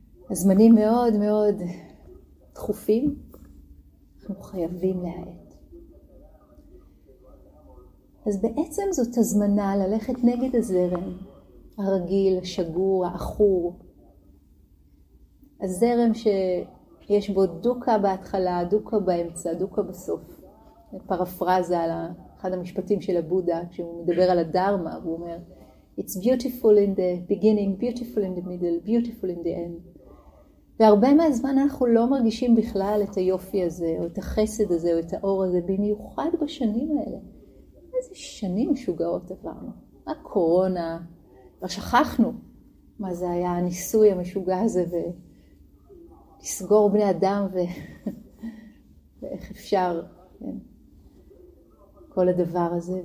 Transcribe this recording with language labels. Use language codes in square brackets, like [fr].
[he] הזמנים מאוד מאוד דחופים, אנחנו חייבים להאט. אז בעצם זאת הזמנה ללכת נגד הזרם הרגיל, השגור, האחור. הזרם שיש בו דוקה בהתחלה, דוקה באמצע, דוקה בסוף. פרפרזה על אחד המשפטים של הבודה, כשהוא מדבר על הדרמה, הוא אומר, [en] It's beautiful in the beginning, beautiful in the middle, beautiful in the end. [he] והרבה מהזמן אנחנו לא מרגישים בכלל את היופי הזה, או את החסד הזה, או את האור הזה, במיוחד בשנים האלה. איזה שנים משוגעות עברנו. מה קורונה? ושכחנו מה זה היה הניסוי המשוגע הזה ולסגור בני אדם ואיך אפשר כן? כל הדבר הזה.